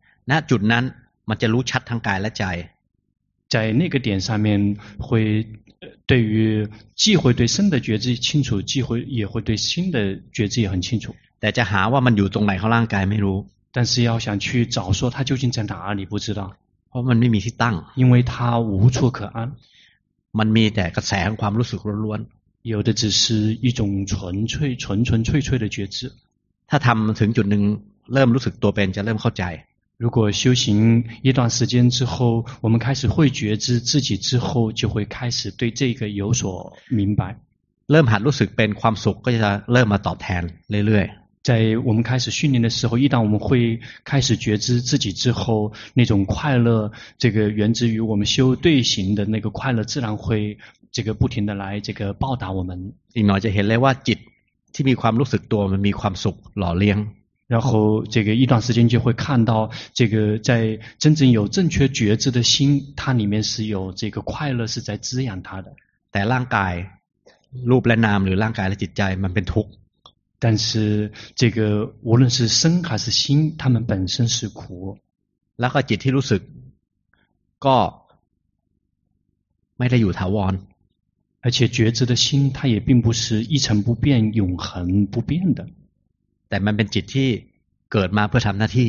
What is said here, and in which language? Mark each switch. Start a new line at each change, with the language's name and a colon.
Chinese: 那
Thai: จุดนั้นมันจะรู้ชัดทั้งกายและใจ
Chinese: 在那个点上面会对于既会对身的觉知清楚既会也会对心的觉知也很清楚
Thai: แต่จะหาว่ามันอยู่ตรงไหนของร่างกายไม่รู้
Chinese: 但是要想去找说它究竟在哪里不知道
Thai: เพราะมันไม่มีที่ตั้ง
Chinese: 因为它无处可安
Thai: มันมีแต่กระแสของความรู้สึกล้วน
Chinese: 有的只是一种纯粹的觉知
Thai: ถ้าทำถึงจุดหนึ่งเริ่มรู้สึกตัวเป็นจะเริ่มเข้าใจ
Chinese: 如果修行一段时间之后我们开始会觉知自己之后就会开始对这个有所明白
Thai: เริ่มหัดรู้สึกเป็นความสุขก็จะเริ่มมาตอบแทนเรื่อย
Chinese: ๆ在我们开始训练的时候一旦我们会开始觉知自己之后那种快乐这个源自于我们修对行的那个快乐自然会这个不停的来这个报答我们
Thai: อีกหน่อยจะเห็นเลยว่าจิตที่มีความรู้สึกตัวมันมีความสุขหล่อเลี้ยง
Chinese: 然后这个一段时间就会看到这个在真正有正确觉知的心它里面是有这个快乐是在滋养它的
Thai: แต่ร่างกายรูปและนามหรือร่างกายและจิตใจมันเป็นทุกข์
Chinese: 但是这个无论是身还是心它们本身是苦
Thai: แล้วก็จิตที่รู้สึกก็ไม่ได้อยู่ถาวร
Chinese: 而且觉知的心它也并不是一成不变永恒不变的
Thai: แต่มันเป็นจิตที่เกิดมาเพื่อทำหน้าที